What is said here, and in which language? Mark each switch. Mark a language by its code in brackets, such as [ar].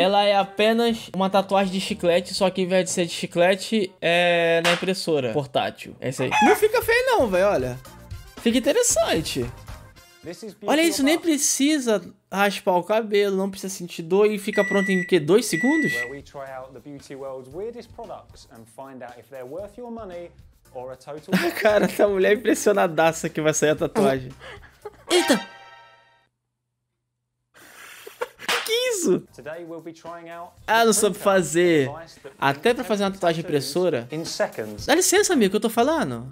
[pt] Ela é apenas uma tatuagem de chiclete, só que ao invés de ser de chiclete, é na impressora portátil. É isso aí. Não fica feio não, velho, olha. Fica interessante. Olha isso, nem precisa raspar o cabelo, não precisa sentir dor e fica pronto em quê? 2 segundos? [en] Where we try out the beauty world's weirdest products and find out if they're worth your money. [pt] Cara, essa mulher é impressionadaça que vai sair a tatuagem. Eita! Que isso? Ah, não soube fazer. Até pra fazer uma tatuagem impressora. Dá licença, amigo, que eu tô falando.